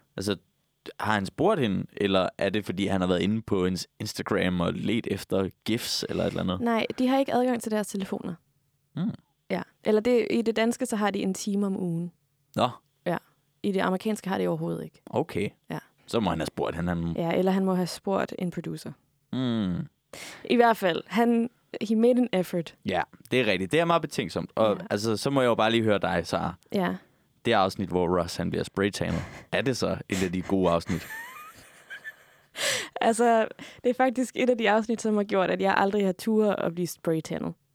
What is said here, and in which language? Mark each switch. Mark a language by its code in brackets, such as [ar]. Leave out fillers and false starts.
[da] Altså, har han spurgt hende, eller er det, fordi han har været inde på hendes Instagram og let efter gifs eller et eller andet? Nej, de har ikke adgang til deres telefoner. Mm. Ja, eller det, i det danske, så har de en time om ugen. Nå. Ja. I det amerikanske har det overhovedet ikke. Okay. Ja. Så må han have spurgt hende. Ja, eller han må have spurgt en producer. Mm. I hvert fald, [en] he made an effort. [da] Ja, det er rigtigt. Det er meget betænksomt. Og altså, så må jeg jo bare lige høre dig, Sara. Ja. Det er afsnit, hvor Ross han bliver spraytanet. Er det så et af de gode afsnit? Altså, det er faktisk et af de afsnit, som har gjort, at jeg aldrig har turet at blive spraytanet.